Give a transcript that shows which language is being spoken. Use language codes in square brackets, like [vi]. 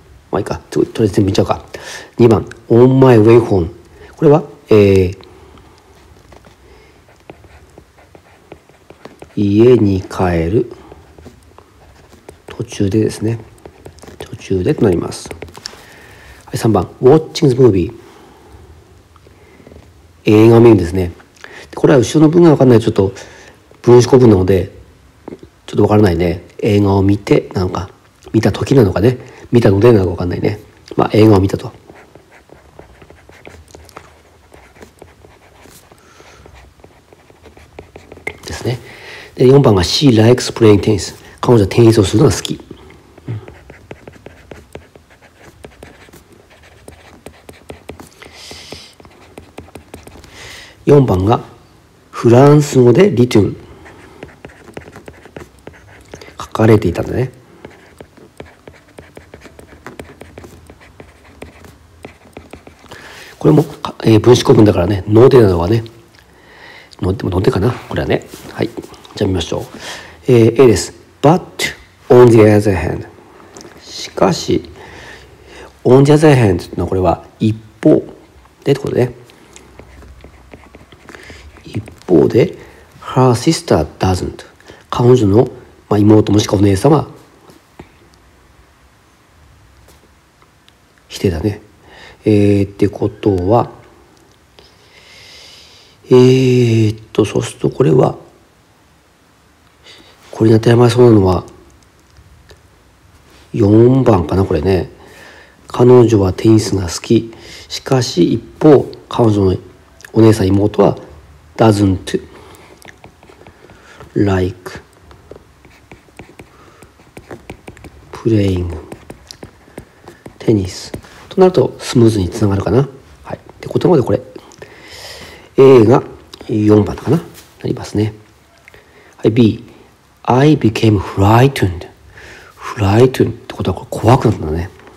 [ja] まあいいか、とりあえず全部見ちゃうか。2番、 [en] On My Way Home。 [ja] これは、家に帰る途中でですね。途中でとなります。はい、3番、 [en] Watching the Movie。 [ja] 映画見るんですね。これは後ろの文が分からないと、ちょっと分子古文なのでちょっと分からないね。映画を見てなのか、見た時なのかね、見たのでなのか分からないね。まあ映画を見たと。ですね。で、4番が [en] She likes playing tennis。 [ja] 彼女はテニスをするのが好き。 4番がフランス語でリトゥン書かれていたんだね。これも、分子古文だからね、ノーデなのはね、ノーデもノーデかな、これはね。はい、じゃあ見ましょう。 A です。 [en] But on the other hand、 [ja] しかし、 [en] on the other hand [ja] というのはこれは一方でってことでね。一方で、 [en] her sister doesn't。 [ja] 彼女の、まあ、妹もしくはお姉さんは否定だね。ってことは、そうするとこれは、これに当てはまりそうなのは4番かな、これね。彼女はテニスが好き。しかし一方、彼女のお姉さん妹は [en] doesn't like playing tennis [ja] となるとスムーズにつながるかな。はい、ってことなので、これ A が4番かな、なりますね。はい、 [en] B、 I became frightened。 [ja] frightened ってことはこれ怖くなったんだね。